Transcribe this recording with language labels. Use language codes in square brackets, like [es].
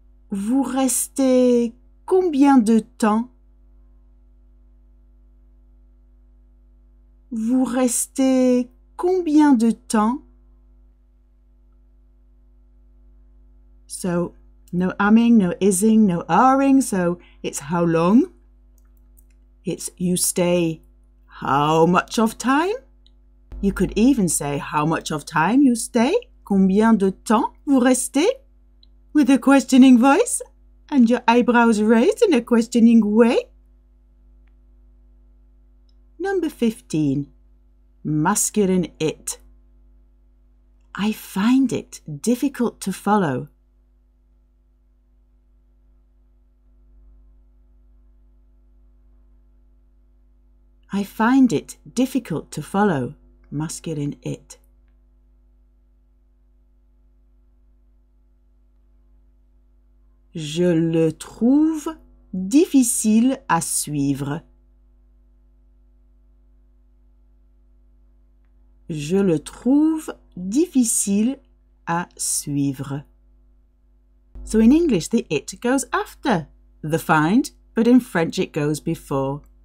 [fr] Vous restez combien de temps? Vous restez combien de temps? [en] So, no amming, no ising, no aring, so it's how long? It's you stay how much of time? You could even say how much of time you stay? [fr] Combien de temps vous restez? [en] With a questioning voice and your eyebrows raised in a questioning way. Number 15. Masculine it. I find it difficult to follow. I find it difficult to follow, masculine it. [fr] Je le trouve difficile à suivre. Je le trouve difficile à suivre. [en] So in English, the it goes after the find, but in French it goes before.